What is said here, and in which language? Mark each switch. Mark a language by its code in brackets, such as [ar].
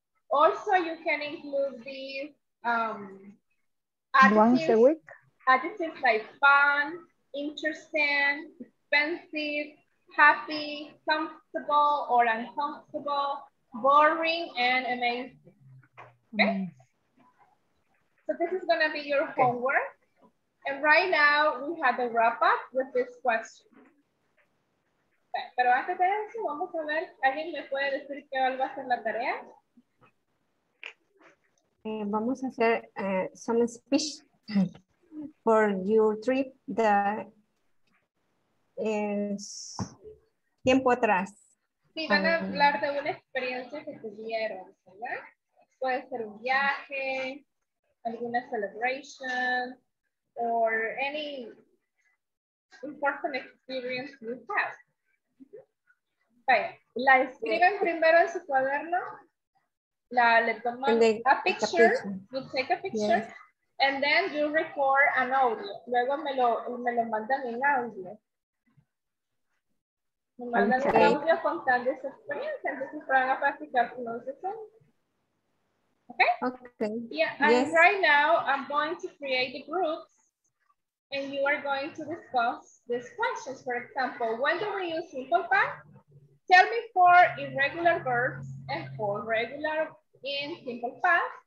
[en] Also, you can include these adjectives like fun, interesting, expensive, happy, comfortable or uncomfortable, boring, and amazing. Okay? So this is gonna be your homework. right now we have the wrap up with this question. [es] Pero antes de eso, vamos a ver, ¿alguien me puede decir qué va a ser la tarea? Vamos a hacer [en] some speech for your trip that is [es] tiempo atrás. Sí, van a hablar de una experiencia que tuvieron, ¿verdad? Puede ser un viaje, alguna [en] celebration, or any important experience you have. [es] Bueno, la escriben primero en su cuaderno. Le toman [en] a picture, you take a picture, and then you record an audio. [es] Luego me lo mandan en audio. Me mandan un audio contando esa experiencia, entonces van a practicar con los demás. [en] Okay? Yeah, and right now I'm going to create the groups, and you are going to discuss these questions. For example, when do we use simple past? Tell me four irregular verbs and four regular in simple past.